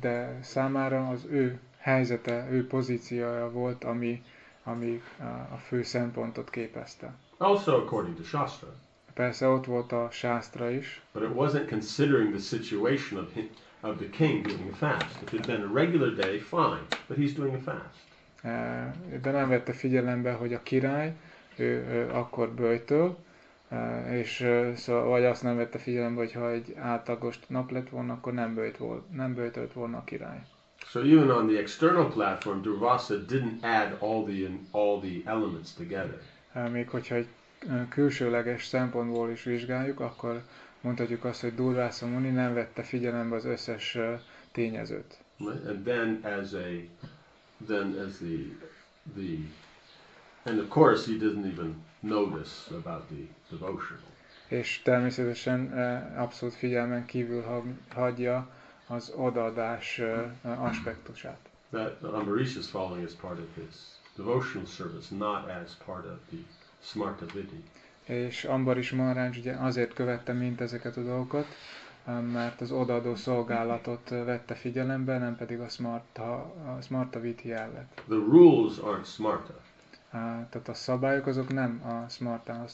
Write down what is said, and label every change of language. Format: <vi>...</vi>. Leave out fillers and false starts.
<hu>De számára az ő helyzete, ő pozíciója volt, ami a fő szempontot képezte.</hu> <en>Also according to Shastra.</en> <hu>Persze ott volt a sástra is.</hu> <en>But it wasn't considering the situation of him, of the king doing a fast. If it had been a regular day, fine. But he's doing a fast.</en> <hu>De nem vette figyelembe, hogy a király, ő akkor böjtöl, és szóval, vagy azt nem vette figyelembe, hogy ha egy átlagos nap lett volna, akkor nem böjtölt volna a király.</hu> <en>So even on the external platform, Durvasa didn't add all the elements together.</en> <hu>Még hogyha egy külsőleges szempontból is vizsgáljuk, akkor mondhatjuk azt, hogy Durvasa Muni nem vette figyelembe az összes tényezőt.</hu> <en>And then as a and of course he didn't even notice about the devotion.</en> <hu>És természetesen abszolút figyelmen kívül hagyja az odaadás aspektusát.</hu> <en>That Amrita's falling is part of his devotional service, not as part of the smarta vidhi.</en> <hu>És Ambarish Maharaj ugye azért követte mint ezeket a dolgokat, mert az odaadó szolgálatot vette figyelembe, nem pedig a smarta vidhi jellet.</hu> <en>The rules aren't smarta.</en> <hu>Tehát a szabályok azok nem a smartához</hu>